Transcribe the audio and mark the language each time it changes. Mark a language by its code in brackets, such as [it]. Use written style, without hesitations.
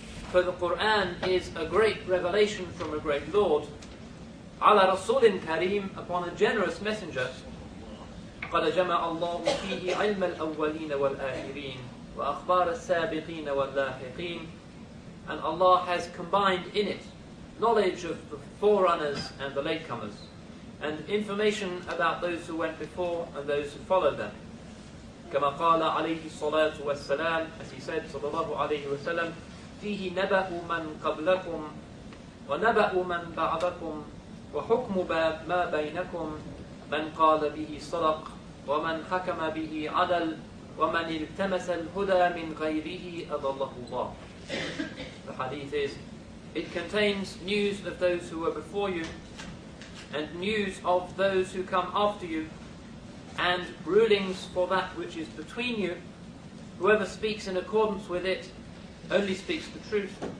[en] For the Qur'an is a great revelation from a great Lord. [ar] عَلَى رَسُولٍ كَرِيمٍ. [en] Upon a generous messenger. [ar] قال جمع الله فيه علم الأولين والآخرين وأخبار السابقين واللاحقين. [en] And Allah has combined in it knowledge of the forerunners and the latecomers, and information about those who went before and those who followed them. [ar] كما قال عليه الصلاة والسلام, [en] as he said, [ar] صلى الله عليه وسلم, فيه نبأ من قبلكم ونبأ من بعدكم وحكم باب ما بينكم من قال به صدق ومن حكم به عدل ومن التمس الهدى من غيره أضله الله. [en] The hadith is, it contains news of those who were before you and news of those who come after you and rulings for that which is between you. Whoever speaks in accordance with it only speaks the truth.